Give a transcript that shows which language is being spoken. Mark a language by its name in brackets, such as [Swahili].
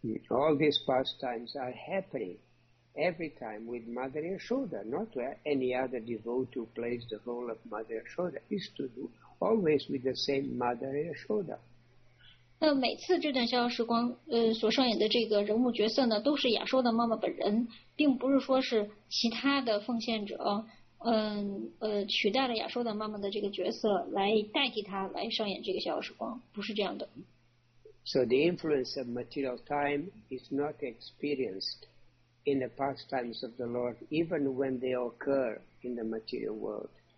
[English] All these pastimes are happening every time with Mother Yashoda, not where any other devotee who plays the role of Mother Yashoda is to do, always with the same Mother Yashoda. [Chinese] 每次这段逍遥时光所上演的这个人物角色呢，都是亚瑟的妈妈本人，并不是说是其他的奉献者取代了亚瑟的妈妈的这个角色来代替他来上演这个逍遥时光，不是这样的。 [English] So the influence of material time is not experienced in the pastimes of the Lord, even when they occur in the material world.